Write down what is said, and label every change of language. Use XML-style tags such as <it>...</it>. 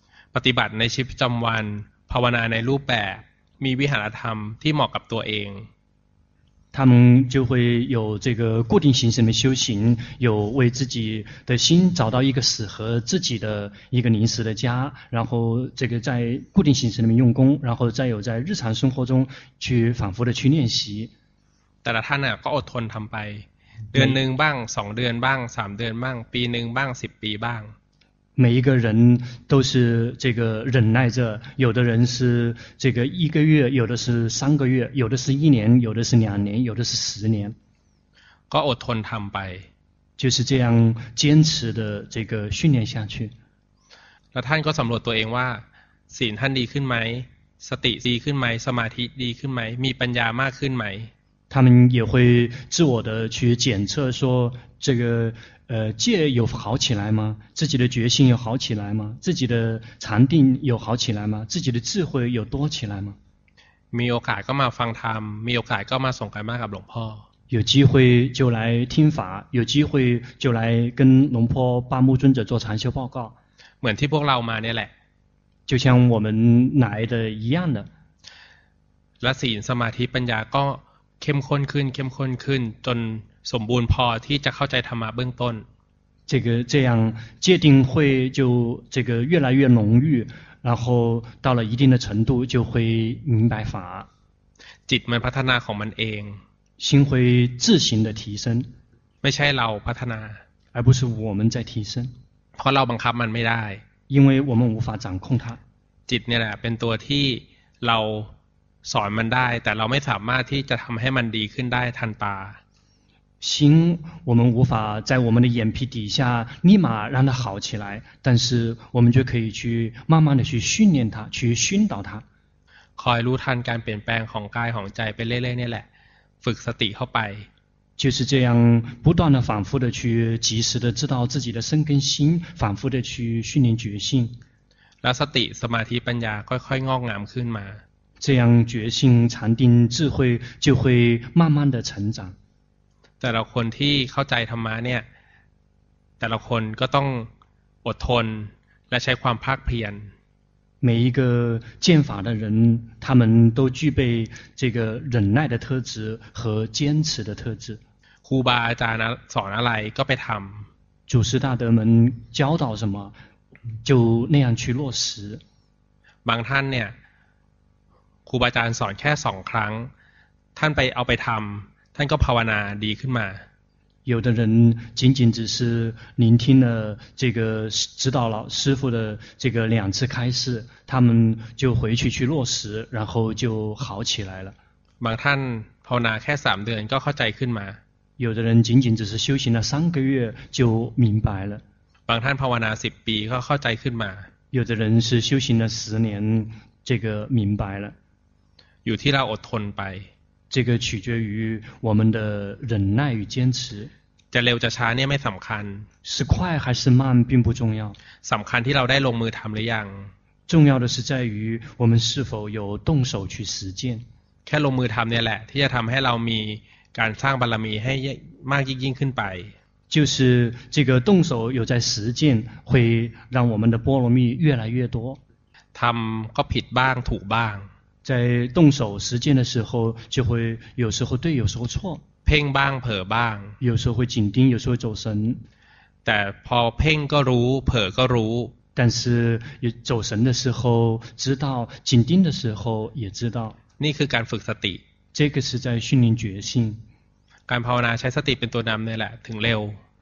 <th>ปฏิบัติในชีวิตประจำวันภาวนาในรูปแบบมีวิหารธรรมที่เหมาะกับตัวเอง</th> <zh>他们就会有这个固定形式的修行有为自己的心找到一个适合自己的一个临时的家然后这个在固定形式里面用功然后再有在日常生活中去反复的去练习</zh> <th>แต่ละท่านก็อดทนทำไปเดือนหนึ่งบ้างสองเดือนบ้างสามเดือนบ้างปีหนึ่งบ้างสิบปีบ้าง</th> <zh>每一个人都是这个忍耐着有的人是这个一个月有的是三个月有的是一年有的是两年有的是十年</zh> <th>ก็อดทนทำไป</th> <zh>就是这样坚持的这个训练下去</zh> <th>แล้วท่านก็สำรวจตัวเองว่าศีลท่านดีขึ้นไหมสติดีขึ้นไหมสมาธิดีขึ้นไหมมีปัญญามากขึ้นไหม</th> <zh>他们也会自我的去检测说这个戒有好起来吗自己的决心有好起来吗自己的禅定有好起来吗自己的智慧有多起来吗</zh> <th>มีโอกาสก็มาฟังธรรมมีโอกาสก็มาส่งกันมากับหลวงพ่อ</th> <zh>有机会就来听法有机会就来跟龙坡八木尊者做禅修报告</zh> <th>เหมือนที่พวกเรามาเนี่ยแหละ</th> <zh>就像我们来的一样的</zh> <th>และศีลสมาธิปัญญาก็เข้มข้นขึ้นเข้มข้นขึ้นจนสมบูรณ์พอที่จะเข้าใจธรรมะเบื้องต้น</th> <zh>这个这样戒定慧就这个越来越浓郁然后到了一定的程度就会明白法</zh> <th>จิตมันพัฒนาของมันเอง</th> <zh>心会自行的提升</zh> <th>ไม่ใช่เราพัฒนา</th> <zh>而不是我们在提升</zh> <th>เพราะเราบังคับมันไม่ได้</th> <zh>因为我们无法掌控它</zh> <th>จิตเนี่ยแหละเป็นตัวที่เราสอนมันได้แต่เราไม่สามารถที่จะทำให้มันดีขึ้นได้ทันตา</th> <zh>心我们无法在我们的眼皮底下立马让它好起来但是我们就可以去慢慢的去训练它去熏导它</zh> <th>คอยรู้ทันการเปลี่ยนแปลงของกายของใจไปเรื่อยๆนี่แหละฝึกสติเข้าไป</th> <zh>就是这样不断的反复的去及时的知道自己的身跟心反复的去训练决心</zh> <th>แล้วสติสมาธิปัญญาค่อยๆงอกงามขึ้นมา</th> <zh>这样决心禅定智慧就会慢慢的成长</zh> <th>แต่ละคนที่เข้าใจธรรมะเนี่ยแต่ละคนก็ต้องอดทนและใช้ความภาคเพียร</th> <zh>每一个见法的人他们都具备这个忍耐的特质和坚持的特质</zh> <th>ครูบาอาจารย์สอนอะไรก็ไปทำ</th> <zh>祖师大德们教导什么就那样去落实</zh> <th>บางท่านเนี่ยครูบาอาจารย์สอนแค่สองครั้งท่านไปเอาไปทำท่านก็ภาวนาดีขึ้นมา</th> <zh>有的人仅仅只是聆听了这个指导老师父的这个两次开示他们就回去去落实然后就好起来了</zh> <th>บางท่านภาวนาแค่3เดือนก็เข้าใจขึ้นมา</th> <zh>有的人仅仅只是修行了三个月就明白了</zh> <th>บางท่านภาวนา10ปีก็เข้าใจขึ้นมา</th> <zh>有的人是修行了10年这个明白了</zh> <th>อยู่ที่เราอดทนไป</th> <zh>这个取决于我们的忍耐与坚持</zh> <th>จะเร็วจะช้าเนี่ยไม่สำคัญ</th> <zh>是快还是慢并不重要</zh> <th>สำคัญที่เราได้ลงมือทำหรือยัง</th> <zh>重要的是在于我们是否有动手去实践</zh> <th>แค่ลงมือทำเนี่ยแหละที่จะทำให้เรามีการสร้างบารมีให้มากยิ่งขึ้นไป</th> <zh>就是这个动手有在实践，会让我们的波罗蜜越来越多。</zh> <th>ทำก็ผิดบ้างถูกบ้าง</th> <zh>在动手实践的时候，就会有时候对，有时候错。</zh> <th>เพ่งบ้างเผลอบ้าง</th> <zh>有时候会紧盯，有时候走神。</zh> <th>แต่พอเพ่งก็รู้เผลอก็รู้</th> <zh>但是走神的时候知道，紧盯的时候也知道。</zh> <th>นี่คือการฝึกสติ</th> <zh>这个是在训练决心。</zh> <th>การภาวนาใช้สติเป็นตัวนำนี่แหละถึงเร็ว</th>